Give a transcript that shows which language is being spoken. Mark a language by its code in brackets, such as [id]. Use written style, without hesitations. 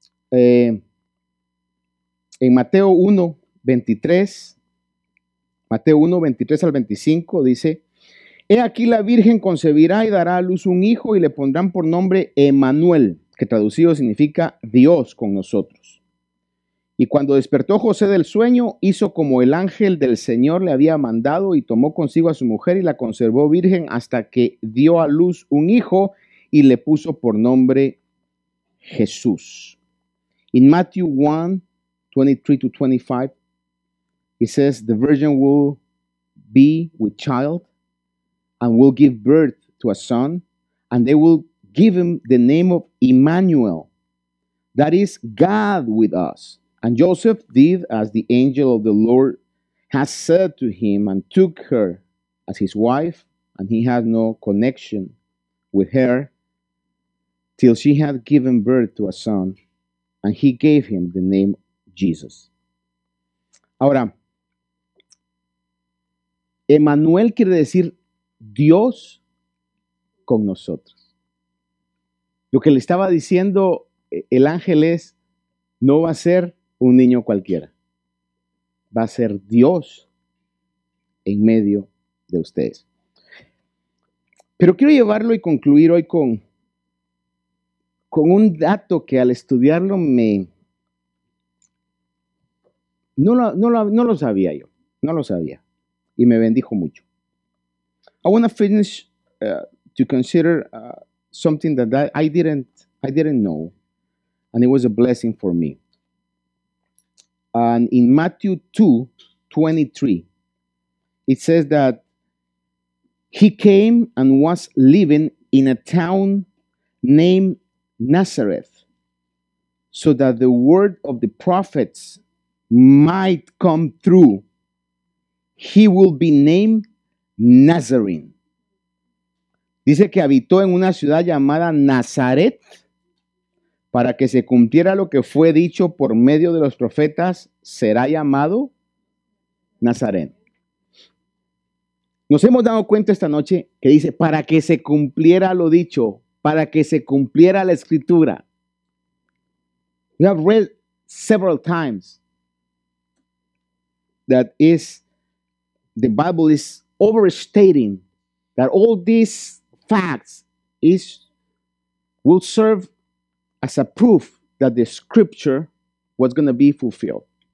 [es] En Mateo 1, 23, Mateo 1, 23 al 25, dice: He aquí la Virgen concebirá y dará a luz un hijo y le pondrán por nombre Emmanuel, que traducido significa Dios con nosotros. Y cuando despertó José del sueño, hizo como el ángel del Señor le había mandado y tomó consigo a su mujer y la conservó virgen hasta que dio a luz un hijo y le puso por nombre Jesús. [en] In Matthew 1:23-25, it says, The virgin will be with child and will give birth to a son, and they will give him the name of Emmanuel, that is God with us. And Joseph did as the angel of the Lord has said to him, and took her as his wife, and he had no connection with her till she had given birth to a son, and he gave him the name Jesus. [es] Ahora, Emmanuel quiere decir Dios con nosotros. Lo que le estaba diciendo el ángel es, no va a ser un niño cualquiera. Va a ser Dios en medio de ustedes. Pero quiero llevarlo y concluir hoy con un dato que al estudiarlo no lo sabía. Y me bendijo mucho. [en] I want to finish to consider something that I didn't know, and it was a blessing for me. And in Matthew 2:23, it says that he came and was living in a town named Nazareth, so that the word of the prophets might come through. He will be named Nazarene. [es] Dice que habitó en una ciudad llamada Nazaret para que se cumpliera lo que fue dicho por medio de los profetas, será llamado Nazareno. Nos hemos dado cuenta esta noche que dice para que se cumpliera lo dicho, para que se cumpliera la escritura. [en] We have read several times that is the Bible is overstating that all these facts is will serve as a proof that the scripture was going to be fulfilled.